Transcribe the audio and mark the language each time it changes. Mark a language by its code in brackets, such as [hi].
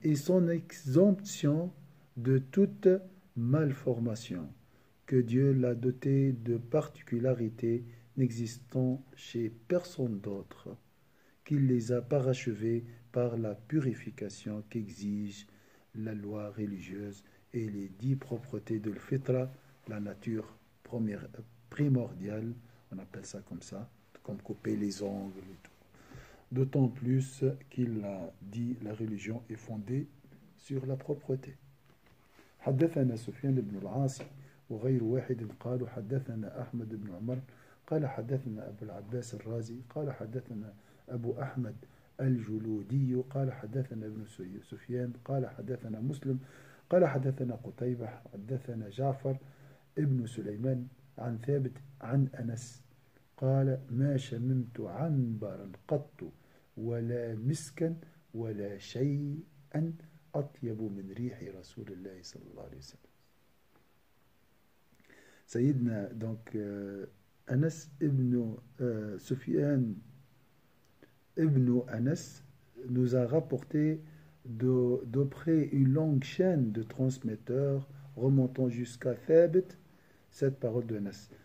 [fr] Et son exemption de toute malformation, que Dieu l'a doté de particularités n'existant chez personne d'autre, qu'il les a parachevées par la purification qu'exige la loi religieuse et les 10 propretés de l'fitra, la nature primordiale, on appelle ça comme ça, comme couper les ongles et tout. D'autant plus qu'il a dit la religion est fondée sur la propreté. [ar] حدثنا سفيان بن العاص وغير واحد قالوا حدثنا أحمد بن عمر قال حدثنا أبو العباس الرازي قال حدثنا أبو أحمد الجلودي قال حدثنا ابن سفيان قال حدثنا مسلم قال حدثنا قتيبة حدثنا جعفر ابن سليمان عن ثابت عن أنس قال ما شممت عنبرا قط ولا مسكا ولا شيئا أطيب من ريح رسول الله صلى الله عليه وسلم. سيدنا دونك [fr] أنس ابن سفيان ابن أنس nous a rapporté d'auprès une longue chaîne de transmetteurs remontant jusqu'à Thabit cette parole de Anas.